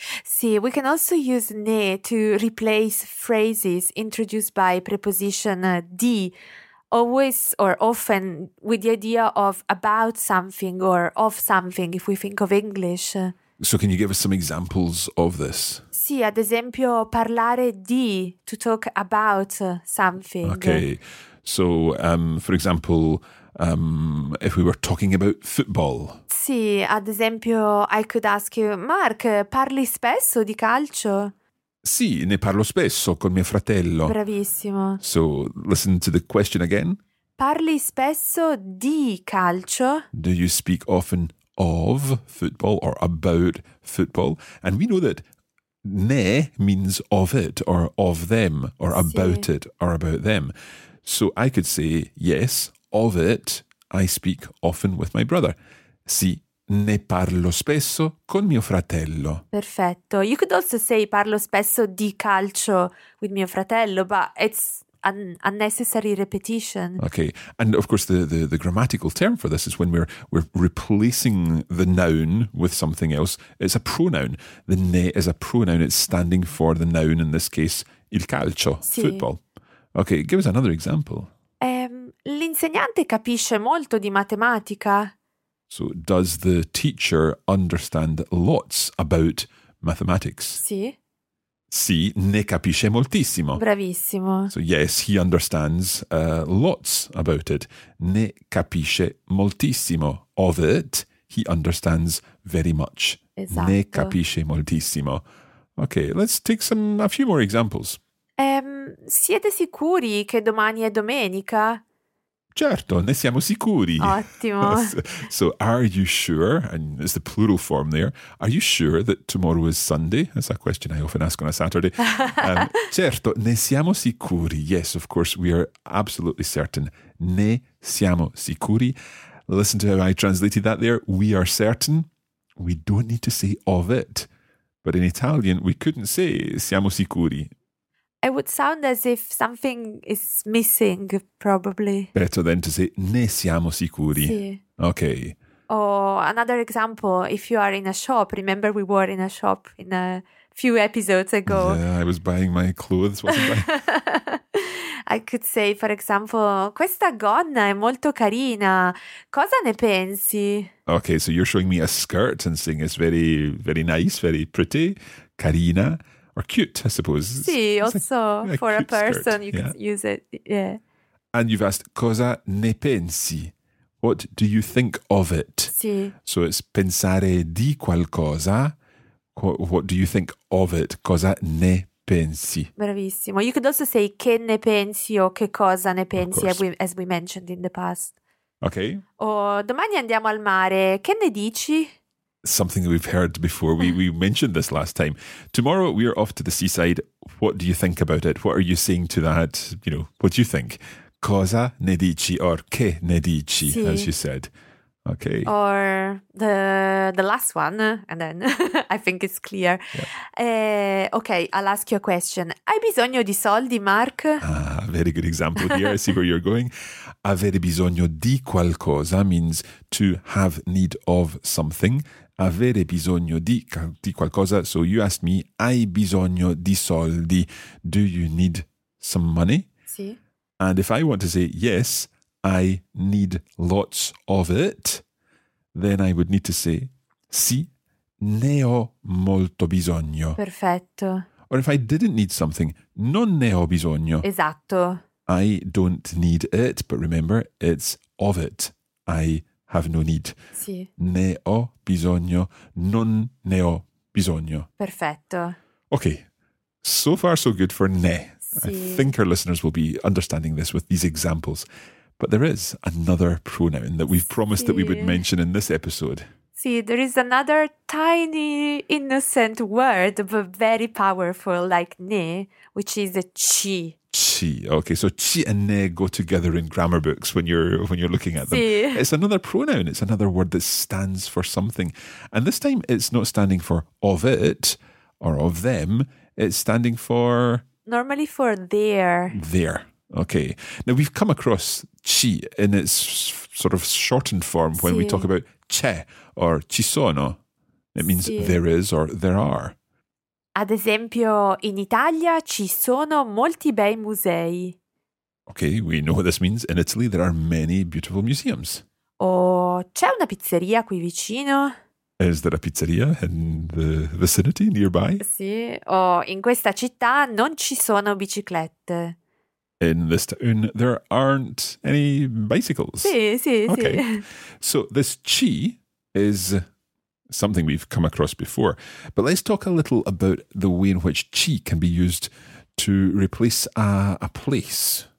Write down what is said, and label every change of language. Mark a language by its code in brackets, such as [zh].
[en] See, we can also use ne to replace phrases introduced by preposition di, always or often with the idea of about something or of something, if we think of English. So can you give us some examples of this? [it] Sì, ad esempio, parlare di, [en] to talk about something. Okay, so for example, if we were talking about football. [it] Sì, ad esempio, [en] I could ask you, [it] Mark, parli spesso di calcio? Sì, ne parlo spesso con mio fratello. Bravissimo. [en] So listen to the question again. [it] Parli spesso di calcio? [en] Do you speak often of football or about football? And we know that ne means of it or of them or about it or about them. So I could say, yes, of it, I speak often with my brother. [it] Sì, ne parlo spesso con mio fratello. [en] Perfetto. You could also say [it] parlo spesso di calcio [en] with [it] mio fratello, [en] but it's an unnecessary repetition. Okay. And of course, the grammatical term for this is when we're replacing the noun with something else. It's a pronoun. The ne is a pronoun. It's standing for the noun, in this case, [it] il calcio, [en] football. Okay, give us another example. [it] L'insegnante capisce molto di matematica. [en] So does the teacher understand lots about mathematics? [it] Sì. Sì, ne capisce moltissimo. Bravissimo. [en] So yes, he understands lots about it. [it] Ne capisce moltissimo [en] of it. He understands very much. [it] Esatto. Ne capisce moltissimo. [en] Okay, let's take a few more examples. [it] Siete sicuri che domani è domenica? Certo, ne siamo sicuri. Ottimo. [en] So are you sure, and it's the plural form there, are you sure that tomorrow is Sunday? That's a question I often ask on a Saturday. [it] certo, ne siamo sicuri. [en] Yes, of course, we are absolutely certain. [it] Ne siamo sicuri. [en] Listen to how I translated that there. We are certain. We don't need to say of it. But in Italian, we couldn't say [it] siamo sicuri. [en] It would sound as if something is missing, probably. Better than to say, [it] ne siamo sicuri. Sì. [en] Okay. Or another example, if you are in a shop, remember we were in a shop in a few episodes ago. Yeah, I was buying my clothes, wasn't I? I could say, for example, [it] questa gonna è molto carina. Cosa ne pensi? [en] Okay, so you're showing me a skirt and saying it's very, very nice, very pretty, carina. Or cute, I suppose. Sì, also for a person, you can use it, yeah. And you've asked, [it] cosa ne pensi? [en] What do you think of it? [it] Sì. [en] So it's [it] pensare di qualcosa. [en] What do you think of it? [it] Cosa ne pensi? Bravissimo. [en] You could also say [it] che ne pensi o che cosa ne pensi, [en] as we mentioned in the past. Okay. [it] Or domani andiamo al mare. Che ne dici? [en] Something that we've heard before. We mentioned this last time. Tomorrow we are off to the seaside. What do you think about it? What are you saying to that? You know, what do you think? [it] Cosa ne dici or che ne dici, sì, [en] as you said. Okay. Or the last one, and then I think it's clear. Yeah. Okay, I'll ask you a question. [it] Hai bisogno di soldi, Mark? [en] Ah, very good example here. I see where you're going. [it] Avere bisogno di qualcosa [en] means to have need of something. [it] Avere bisogno di qualcosa. [en] So you asked me, [it] hai bisogno di soldi? [en] Do you need some money? [it] Sì. [en] And if I want to say yes, I need lots of it, then I would need to say, [it] sì, ne ho molto bisogno. Perfetto. [en] Or if I didn't need something, [it] non ne ho bisogno. Esatto. [en] I don't need it, but remember, it's of it. I have no need. [it] Sì. Ne ho bisogno, non ne ho bisogno. Perfetto. [en] Okay, so far so good for ne. Sì. I think our listeners will be understanding this with these examples. But there is another pronoun that we've promised sì. That we would mention in this episode. Sì, there is another tiny, innocent word, but very powerful, like ne, which is a ci. [it] Ci, [en] okay. So ci and ne go together in grammar books when you're looking at them. Sì. It's another pronoun. It's another word that stands for something. And this time it's not standing for of it or of them. It's standing for... Normally for there. There. Okay. Now we've come across ci in its sort of shortened form when sì. We talk about c'è or [it] ci sono. [en] It means sì. There is or there are. [it] Ad esempio, in Italia ci sono molti bei musei. [en] Okay, we know what this means. In Italy, there are many beautiful museums. [it] Oh, c'è una pizzeria qui vicino. [en] Is there a pizzeria in the vicinity, nearby? [it] Sì, oh, in questa città non ci sono biciclette. [en] In this town, there aren't any bicycles. [it] Sì, sì, [en] okay. [it] Sì. [en] So this ci is... something we've come across before. But let's talk a little about the way in which ci can be used to replace a place.